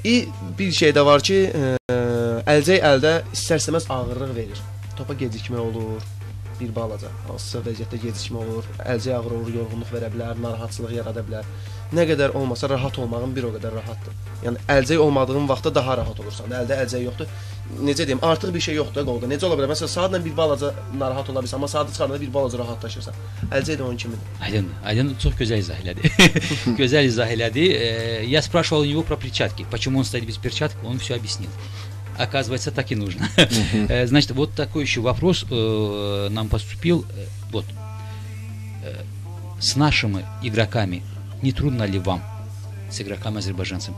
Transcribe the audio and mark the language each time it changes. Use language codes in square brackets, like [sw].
[az] Bəli, bir şey də var ki, əlcək əldə istər-istəməz ağırlıq verir. Topa gecikmə olur, bir balaca, hansısa vəziyyətdə gecikmə olur, əlcək ağır olur, yorğunluq verə bilər, narahatçılıq yarada bilər. Nə qədər olmasa, rahat olmağın bir o qədər rahatdır. Yəni, əlcək olmadığın vaxtda daha rahat olursan, əldə əlcək yoxdur. necə deyim, artıq bir şey yoxdur qolda. Necə ola bilər? Məsələn, saatla bir balaca narahat ola bilirsən, amma saatı çıxardığında bir balaca rahatlaşırsan. Əlcə də onun kimidir. Aydın, aydın, çox gözəl izah elədi. Gözəl izah elədi. [ru] Я спрашивал у него про перчатки. Почему он стоит без перчаток? Он всё объяснил. Оказывается, так и нужно. Значит, вот такой еще вопрос нам поступил. Вот. С нашими игроками не трудно ли вам, с игроками-азербайджанцами?